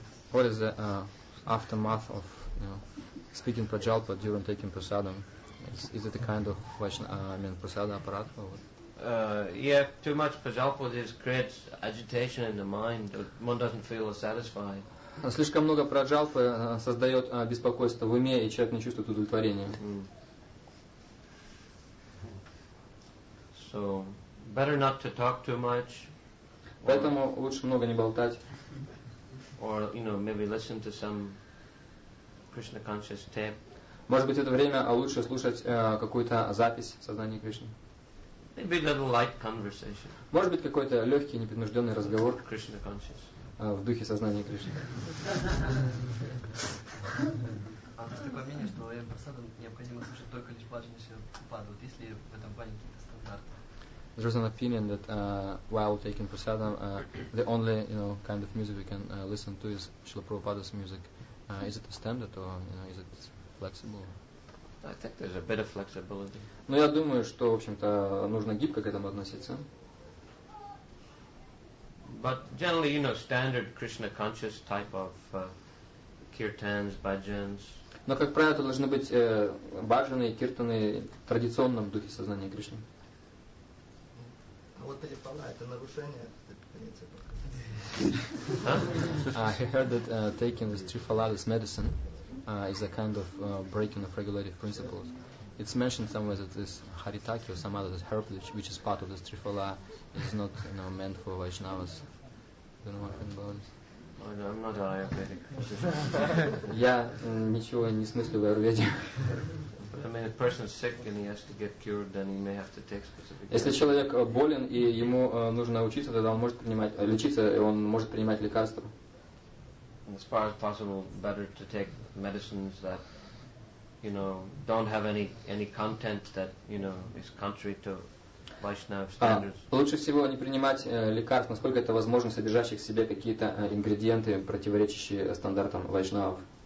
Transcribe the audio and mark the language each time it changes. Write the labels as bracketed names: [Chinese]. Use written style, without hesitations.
[English] What is the aftermath of speaking prajalpa during taking prasadam? Is it a kind of question? Prasada aparat or what? Yeah, too much prajalpa just creates agitation in the mind. One doesn't feel satisfied. [Russian] Слишком много праджалпы создает беспокойство в уме, и человек не чувствует удовлетворения. [English] So better not to talk too much. [Russian] Поэтому лучше много не болтать. [English] Or, you know, maybe listen to some Krishna conscious tape. [Russian] Может быть, это время лучше слушать какую-то запись сознания Кришны. [English] Maybe a little light conversation. [Russian] Может быть, какой-то легкий, непринужденный разговор [English] Krishna conscious. [Russian] В духе сознания Кришны. А есть такое мнение, что я просто необходимо слушать только лишь блаженный Шрилупада. Вот есть ли в этом плане какие-то стандарты? [English] There's an opinion that while taking prasadam, the only kind of music we can listen to is Srila Prabhupada's music. Is it a standard or is it flexible? I think there's a bit of flexibility. [Russian] Но я думаю, что, в общем-то, нужно гибко к этому относиться. [English] But generally, you know, standard Krishna conscious type of kirtans, bhajans. [Russian] Но, как правило, должны быть бхаджаны и киртаны в традиционном духе сознания Кришны. Huh? [English] I heard that taking this trifala, this medicine, is a kind of breaking of regulative principles. It's mentioned somewhere that this haritaki or some other this herb, which is part of this trifala, is not meant for Vaishnavas. Do you know anything about this? I'm not an Ayurvedic. [Russian] Я ничего не смыслю в Аюрведе. [English] I mean, if a person is sick and he has to get cured, then he may have to take specific. [Russian] Если человек болен и ему нужно учиться, тогда он может принимать лечиться и он может принимать лекарства. [English] As far as possible, better to take medicines that don't have any content that is contrary to Vaishnava standards. [Russian] Лучше всего не принимать лекарств, насколько это возможно, содержащих в себе какие-то ингредиенты, противоречащие стандартам Вайшнавов.